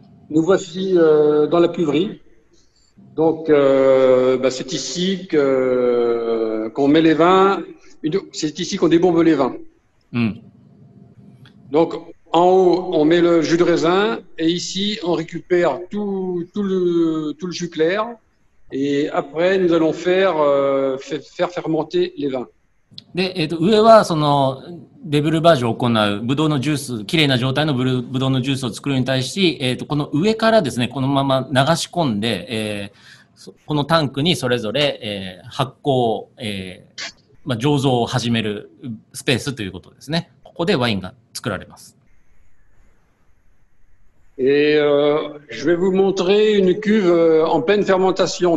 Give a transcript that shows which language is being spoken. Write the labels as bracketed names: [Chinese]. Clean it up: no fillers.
[French] Nous voici dans la cuverie. Donc, c'est ici qu'on met les vins. C'est ici qu'on débombe les vins. Mm. Donc, en haut, on met le jus de raisin. Et ici, on récupère tout le jus clair. Et après, nous allons faire fermenter les vins. [Japanese] で、上はそのデブルバージョンを行うブドウのジュース、きれいな状態のブドウのジュースを作るに対し、この上からですね、このまま流し込んで、このタンクにそれぞれ、発酵、醸造を始めるスペースということですね。ここでワインが作られます。 [French] Et je vais vous montrer une cuve en pleine fermentation.